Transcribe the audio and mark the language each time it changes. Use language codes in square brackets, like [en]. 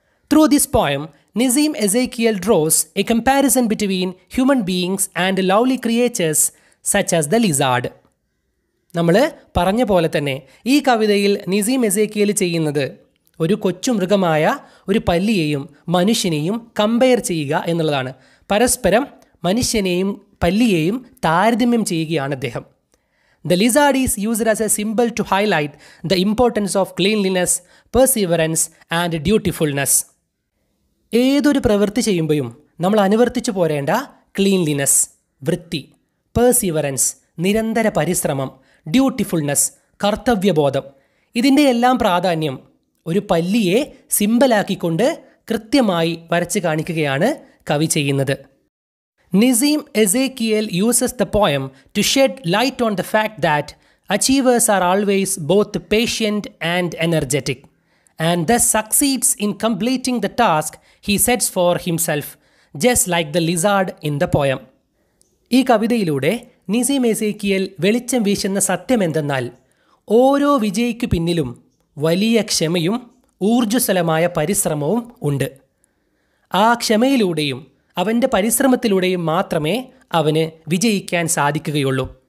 [en] Through this poem, Nissim Ezekiel draws a comparison between human beings and lovely creatures such as the lizard. [ml] നമ്മൾ പറഞ്ഞ പോലെ തന്നെ ഈ കവിതയിൽ നിസീം എസേക്കിയൽ ചെയ്യുന്നത് ഒരു കൊച്ചുമൃഗമായ ഒരു പല്ലിയെയും മനുഷ്യനെയും കമ്പയർ ചെയ്യുക എന്നുള്ളതാണ്. പരസ്പരം മനുഷ്യനെയും പല്ലിയെയും താരതമ്യം ചെയ്യുകയാണ് അദ്ദേഹം. [en] The lizard is used as a symbol to highlight the importance of cleanliness, perseverance, and dutifulness. [ml] ഏതൊരു പ്രവൃത്തി ചെയ്യുമ്പോഴും നമ്മൾ അനുവർത്തിച്ചു പോരേണ്ട ക്ലീൻലിനെസ്, വൃത്തി, പേഴ്സിവറൻസ്, നിരന്തര പരിശ്രമം, ഡ്യൂട്ടിഫുൾനെസ്, കർത്തവ്യബോധം, ഇതിൻ്റെ എല്ലാം പ്രാധാന്യം ഒരു പല്ലിയെ സിമ്പലാക്കിക്കൊണ്ട് കൃത്യമായി വരച്ച് കാണിക്കുകയാണ് കവി ചെയ്യുന്നത്. [en] Nissim Ezekiel uses the poem to shed light on the fact that achievers are always both patient and energetic, and thus succeeds in completing the task he sets for himself, just like the lizard in the poem. [ml] ഈ കവിതയിലൂടെ നിസീം എസേക്കിയൽ വെളിച്ചം വീശുന്ന സത്യം എന്തെന്നാൽ, ഓരോ വിജയിക്കു പിന്നിലും വലിയ ക്ഷമയും ഊർജ്ജസ്വലമായ പരിശ്രമവും ഉണ്ട്. ആ ക്ഷമയിലൂടെയും അവൻ്റെ പരിശ്രമത്തിലൂടെയും മാത്രമേ അവന് വിജയിക്കാൻ സാധിക്കുകയുള്ളൂ.